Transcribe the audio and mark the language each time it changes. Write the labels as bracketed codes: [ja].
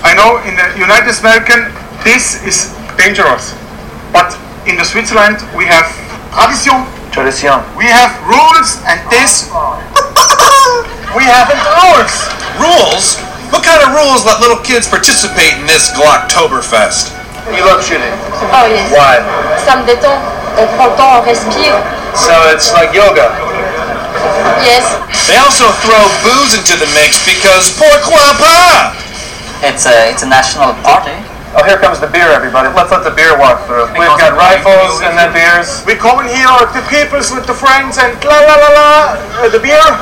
[en] I know in the United States, this is dangerous. But in the Switzerland, we have tradition. Tradition. We have rules, and this... We haven't rules. Rules? What kind of rules let little kids participate in this Glocktoberfest? We love shooting. Oh, yes. Why? [fr] Ça me détend. On prend le temps, on respire. [en] So it's like yoga. Yes. They also throw booze into the mix because [fr] pourquoi pas? [en] It's a national party. Oh, here comes the beer, everybody. Let's let the beer walk through. We've got rifles and then beers. We come in here with the peoples, with the friends, and la la la la, the beer.